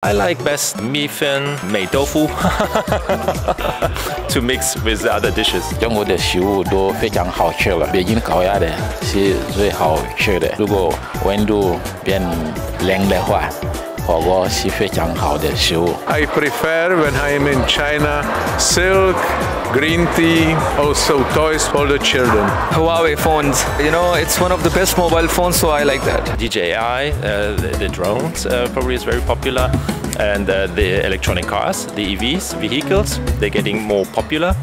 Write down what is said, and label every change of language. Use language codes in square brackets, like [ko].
[en] I like best [zh] 米粉美豆腐 [en] to mix with the other dishes. [zh] 中国的食物都非常好吃了，北京烤鸭的是最好吃的。如果温度变冷的话，火锅是非常好的食物。 [en] I prefer when I'm in China, silk, green tea, also toys for the children. Huawei phones, you know, it's one of the best mobile phones, so I like that. DJI, the drones, probably is very popular. And the electronic cars, the EVs, vehicles, they're getting more popular.